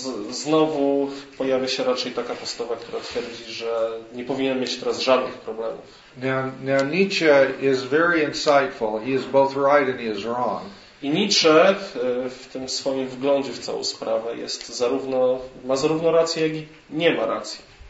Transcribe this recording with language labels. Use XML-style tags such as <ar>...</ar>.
<pl>Znowu pojawia się raczej taka postawa, która twierdzi, że nie powinien mieć teraz żadnych problemów.</pl> <en>Now Nietzsche is very insightful. He is both right and he is wrong.</en> <pl>I Nietzsche w tym swoim wglądzie w całą sprawę jest zarówno ma zarówno rację, jak i nie ma racji.</pl>